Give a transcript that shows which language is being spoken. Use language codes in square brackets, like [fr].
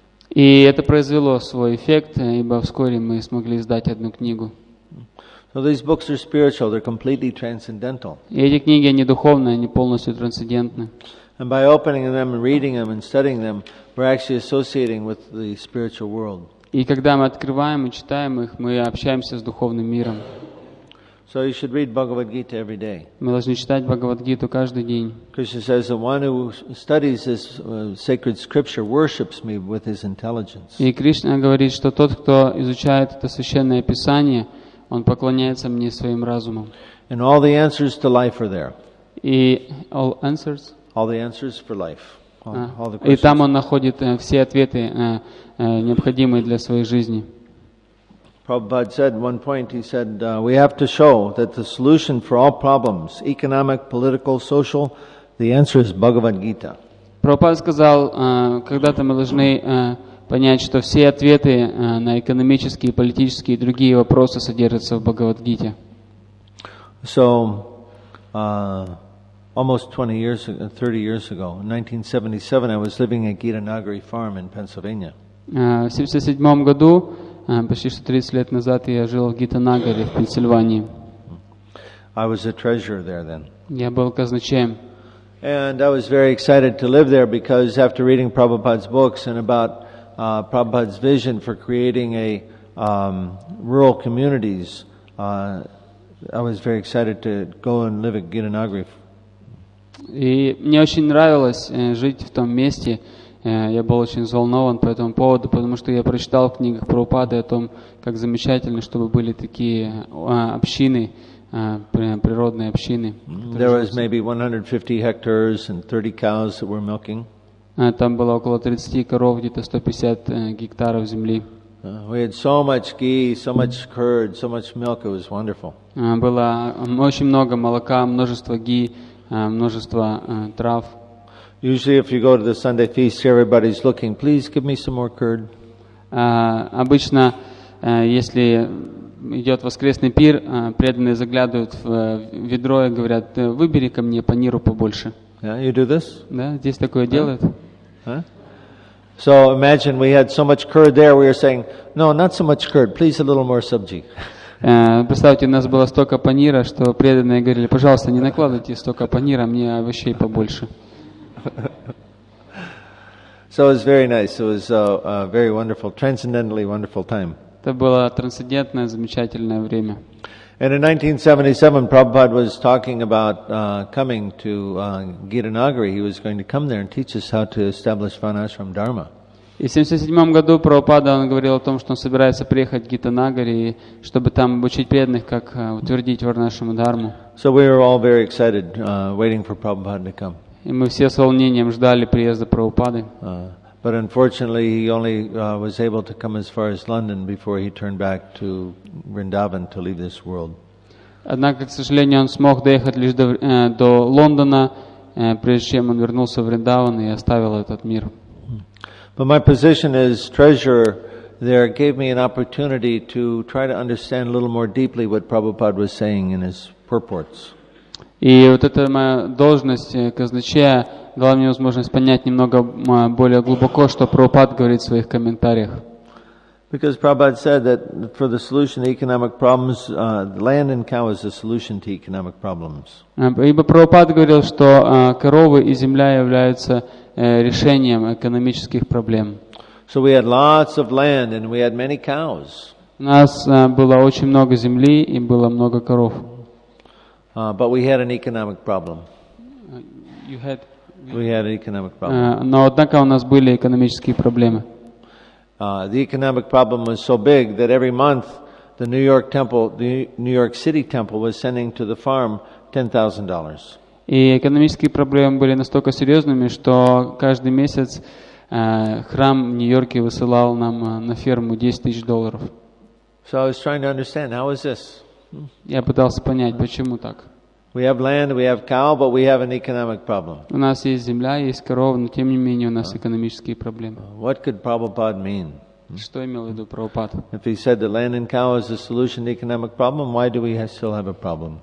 [ru] И это произвело свой эффект, ибо вскоре мы смогли издать одну книгу. [en] So these books are spiritual, they're completely transcendental. [ru] И эти книги, они духовные, они полностью трансцендентны. [en] And by opening them and reading them and studying them, we're actually associating with the spiritual world. [ru] И когда мы открываем и читаем их, мы общаемся с духовным миром. [en] So you should read Bhagavad Gita every day. [ru] Мы должны читать Бхагавад Гиту каждый день. [en] Krishna says the one who studies this sacred scripture worships me with his intelligence. [ru] И Кришна говорит, что тот, кто изучает это священное писание, он поклоняется мне своим разумом. [en] And all the answers to life are there. [ru] И [en] all answers. All the answers for life. All the questions. [ru] И там он находит все ответы, необходимые для своей жизни. [en] Prabhupada said at one point, he said, we have to show that the solution for all problems, economic, political, social, the answer is Bhagavad Gita. [ru] Prabhupada сказал, когда-то мы должны понять, что все ответы на экономические, политические и другие вопросы содержатся в Бхагавад Гите. [en] So, almost 20 years, 30 years ago, in 1977, I was living at Gitanagari Farm in Pennsylvania. [ru] В 77 году, почти что 30 лет назад, я жил в Гитанагаре, в Пенсильвании. [en] I was a treasurer there then. [ru] Я был казначеем. [en] And I was very excited to live there because after reading Prabhupada's books and about Prabhupada's vision for creating a rural communities, I was very excited to go and live at Gitanagari. [ru] И мне очень нравилось жить в том месте. Я был очень взволнован по этому поводу, потому что я прочитал в книгах Прабхупады о том, как замечательно, чтобы были такие общины, природные общины. [en] There was maybe 150 hectares and 30 cows that were milking. [ru] Там было около 30 коров, где-то 150 гектаров земли. [en] We had so much ghee, so much curd, so much milk. It was wonderful. [ru] Было очень много молока, множество ги, множество трав. [en] Usually, if you go to the Sunday feast, everybody's looking. Please give me some more curd. [ru] Обычно, если идет воскресный пир, преданные заглядывают в ведро и говорят: "Выбери ко мне паниру побольше." [en] Yeah, you do this? [ru] Да, здесь такое делают. [en] So imagine we had so much curd there. We were saying, "No, not so much curd. Please a little more sabji." [ru] Представьте, у нас было столько панира, что преданные говорили: "Пожалуйста, не накладывайте столько панира, мне овощей побольше." [en] So it was very nice. It was a very wonderful, transcendentally wonderful time. [ru] Это было трансцендентное, замечательное время. [en] And in 1977, Prabhupada was talking about coming to Gitanagari. He was going to come there and teach us how to establish Vanashram Dharma. [ru] И в 77 году Прабхупада он говорил о том, что он собирается приехать в Гитанагари, чтобы там обучить преданных, как утвердить Варнашраму Дхарму. [en] So we were all very excited, waiting for Prabhupada to come. [ru] И мы все с волнением ждали приезда Прабхупады. [en] But unfortunately, he only was able to come as far as London before he turned back to Vrindavan to leave this world. [ru] Однако, к сожалению, он смог доехать лишь до Лондона, прежде чем он вернулся в Вриндаван и оставил этот мир. [en] But my position as treasurer there gave me an opportunity to try to understand a little more deeply what Prabhupada was saying in his purports. [ru] И вот эта моя должность казначея дала мне возможность понять немного более глубоко, что Прабхупад говорит в своих комментариях. [en] Because Prabhupada said that for the solution to economic problems, land and cow is the solution to economic problems. [ru] Ибо Прабхупад говорил, что коровы и земля являются решением экономических проблем. [en] So we had lots of land and we had many cows. У нас было очень много земли и было много коров. But we had an economic problem. We had an economic problem. [ru] Но однако у нас были экономические проблемы. [en] The economic problem was so big that every month the New York City temple was sending to the farm $10,000. [ru] И экономические проблемы были настолько серьезными, что каждый месяц храм в Нью-Йорке высылал нам на ферму 10 тысяч долларов. [en] So I was trying to understand, how is this? [ru] Я пытался понять, почему так. [en] We have land, we have cow, but we have an economic problem. [ru] У нас есть земля, есть корова, но тем не менее у нас экономические проблемы. [en] What could Prabhupada mean? [ru] Что имел в виду Прабхупад? [en] If he said that land and cow is the solution to economic problem, why do we still have a problem?